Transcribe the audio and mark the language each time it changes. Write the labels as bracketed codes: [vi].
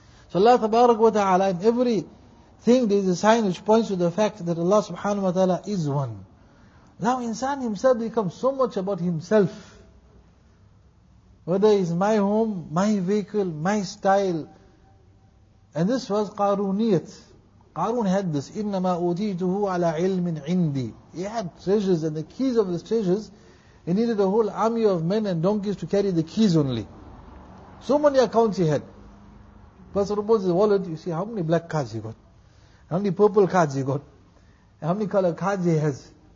[en] So Allah tabarak wa ta'ala, in every thing there is a sign which points to the fact that Allah subhanahu wa ta'ala is one. Now insan himself becomes so much about himself. Whether it's my home, my vehicle, my style. And this was qaruniyat. [ar] قارون [en] had this, [ar] إنما أوتيته على علم عندي. [en] He had treasures and the keys of the treasures. He needed a whole army of men and donkeys to carry the keys only. So many accounts he had. Person opens his wallet, you see how many black cards he got, how many purple cards he got, and how many color cards he has.